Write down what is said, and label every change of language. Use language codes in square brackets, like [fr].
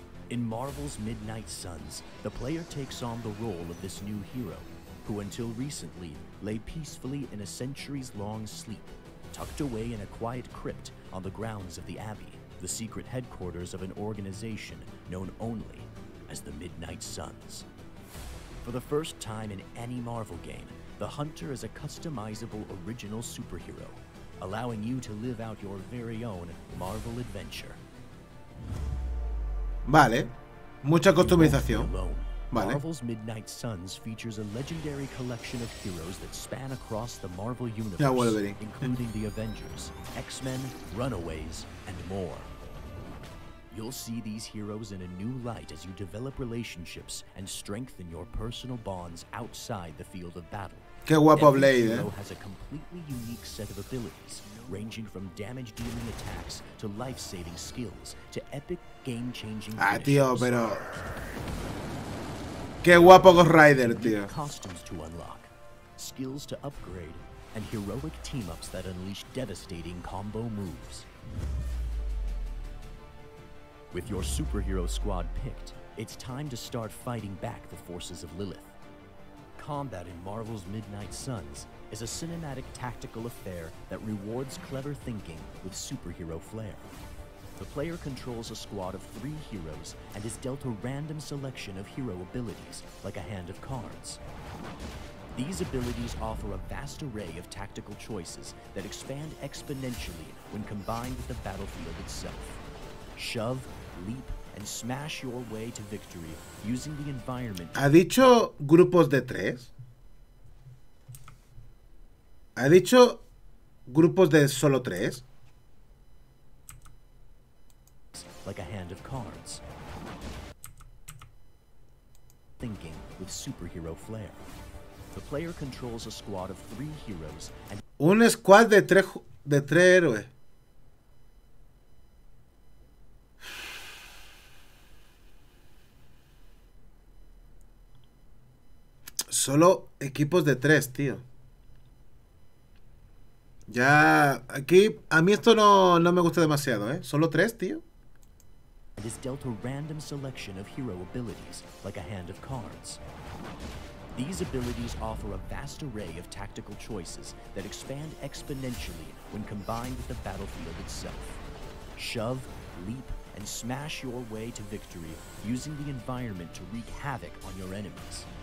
[en] In Marvel's Midnight Suns, the player takes on the role of this new hero, who until recently lay peacefully in a centuries-long sleep, tucked away in a quiet crypt on the grounds of the Abbey, the secret headquarters of an organization known only as the Midnight Suns. For the first time in any Marvel game, the Hunter is a customizable original superhero, allowing you to live out your very own Marvel adventure. [es] Vale, mucha customización. Vale. [en] Marvel's Midnight Suns features a legendary collection of heroes that span across the Marvel universe, including the Avengers, X-Men, Runaways, and more. You'll see these heroes in a new light as you develop relationships and strengthen your personal bonds outside the field of battle. [es] Qué guapo Blade, eh? [en] Every hero has a completely unique set of abilities, ranging from damage dealing attacks to life saving skills to epic game changing finishes. [es] Ah, tío, pero qué guapo Ghost Rider, tío. [en] Costumes to unlock, skills to upgrade, and heroic team ups that unleash devastating combo moves. With your superhero squad picked, it's time to start fighting back the forces of Lilith. Combat in Marvel's Midnight Suns is a cinematic tactical affair that rewards clever thinking with superhero flair. The player controls a squad of three heroes and is dealt a random selection of hero abilities, like a hand of cards. These abilities offer a vast array of tactical choices that expand exponentially when combined with the battlefield itself. Shove, leap, and smash your way to victory using the environment. [es] ¿Ha dicho grupos de tres? ¿Ha dicho grupos de solo tres? [en] Like a hand of cards. Thinking with superhero flair. The player controls a squad of three heroes and [es] un squad de tres héroes. Solo equipos de tres, tío. Ya, aquí, a mí esto no me gusta demasiado, ¿eh? Solo tres, tío. [en] And is dealt a random selection of hero abilities, like a hand of cards. These abilities offer a vast array of tactical choices that expand exponentially when combined with the battlefield itself. Shove, leap, and smash your way to victory using the environment to wreak havoc on your enemies.